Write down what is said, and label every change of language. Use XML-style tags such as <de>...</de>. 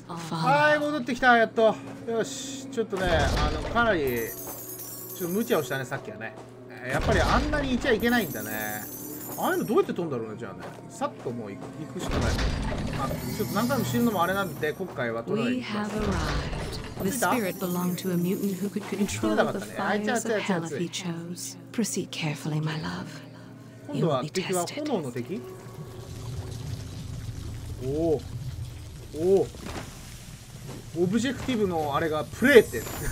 <ja>はい、戻ってきた、やっと。よし、ちょっとね、あのかなりちょっと無茶をしたね、さっきはね。やっぱりあんなにいちゃいけないんだね。ああいうのどうやって飛んだろうね。じゃあね、さっともう行くしかない。あ、ちょっと何回も死ぬのもあれなんで、今回は取らないと。</ja> <en>The spirit belonged to a mutant who could control the fires of hell if he chose. Proceed carefully, my love. You'll be tested.</en> <ja>おお、おオブジェクティブのあれがプレイって。</ja>